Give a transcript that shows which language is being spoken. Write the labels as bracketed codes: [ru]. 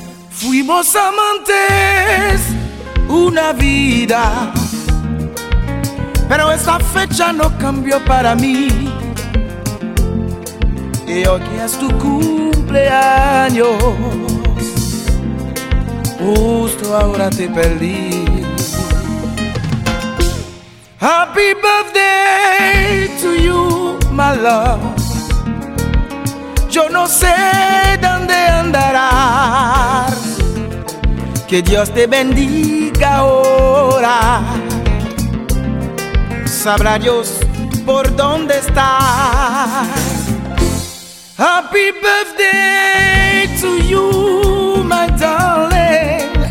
[es] Fuimos amantes una vida, pero esta fecha no cambió para mí. Y hoy que es tu cumpleaños, justo ahora te perdí. [en] Happy birthday to you, my love. [es] Yo no sé dónde andarás. Que Dios te bendiga ahora. Sabrá Dios por dónde estás. [en] Happy birthday to you, my darling.